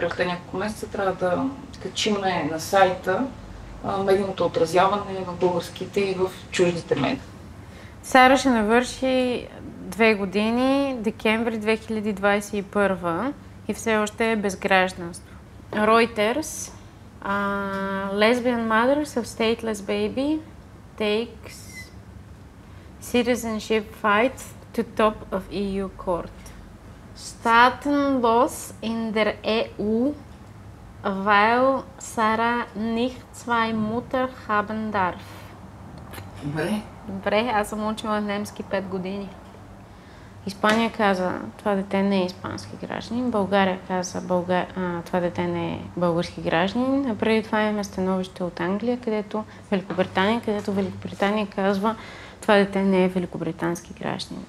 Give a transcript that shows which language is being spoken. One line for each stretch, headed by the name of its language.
Bulgarian: Значи, в няколко месеца трябва да качиме на сайта медийното отразяване в българските и в чуждите медии. Сара ще навърши 2 години, декември 2021, и все още е без гражданство.
English: Reuters. Lesbian mothers of stateless baby takes citizenship fight to top of EU court.
German: Staatenlos in der EU, weil Sara nicht zwei Mutter haben darf.
Bulgarian: Добре, аз съм учила немски 5 години. Испания каза, това дете не е испански гражданин. България каза, това дете не е български гражданин. А преди това има становище от Англия, където Великобритания, където Великобритания казва, това дете не е великобритански гражданин.